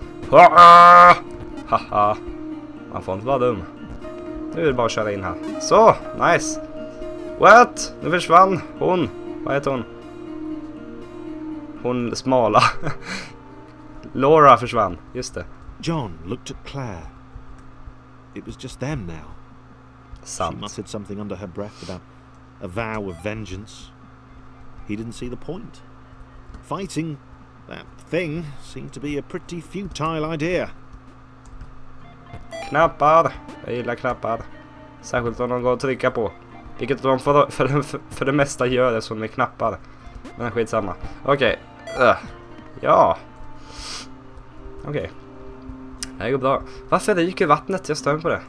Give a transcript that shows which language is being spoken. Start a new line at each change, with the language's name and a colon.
Swedish: Haha. Man får inte vara dum. Nu är det bara att köra in här. Så, nice.
English: What?
Swedish: Nu försvann hon. Vad heter hon? Hon smala. Laura försvann, just det.
English: John looked at Claire. It was just them now.
Swedish: Sant.
English: She muttered something under her breath about a vow of vengeance. He didn't see the point. Fighting that thing seemed to be a pretty futile idea.
Swedish: Knappar. Jag gillar knappar. Särskilt om de går att trycka på. Vilket de för det mesta gör det som med knappar. Men skitsamma. Okej. Okay. Ja. Okej. Okay. Det går bra. Varför ryker vattnet? Jag stör mig på det.